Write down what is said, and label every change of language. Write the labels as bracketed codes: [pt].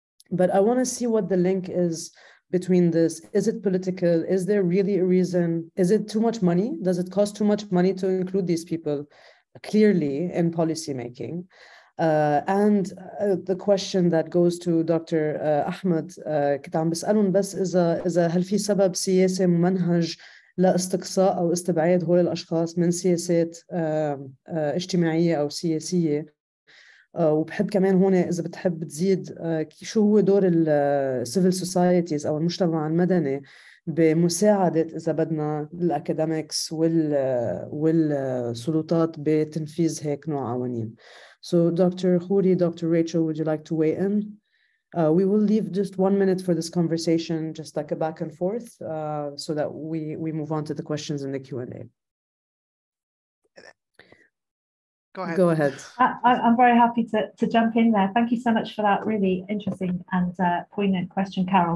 [en] But I want to see what the link is between this. Is it political? Is there really a reason? Is it too much money? Does it cost too much money to include these people clearly in policymaking? The question that goes to Dr. [ar] Ahmed, كنت عم بسألهم بس إذا هل في سبب سياسي ممنهج لاستقصاء أو استبعاد هول الأشخاص من سياسات اجتماعية أو سياسية؟ وبحب كمان هون إذا بتحب تزيد شو هو دور الـ civil societies أو المجتمع المدني بمساعدة إذا بدنا الأكاديميكس والسلطات بتنفيذ هيك نوع قوانين. [en] So Dr. Khoury, Dr. Rachel, would you like to weigh in? We will leave just 1 minute for this conversation, just like a back and forth, so that we move on to the questions in the Q&A. Go ahead. I'm very happy to jump in there. Thank you so much for that really interesting and poignant question, Carol.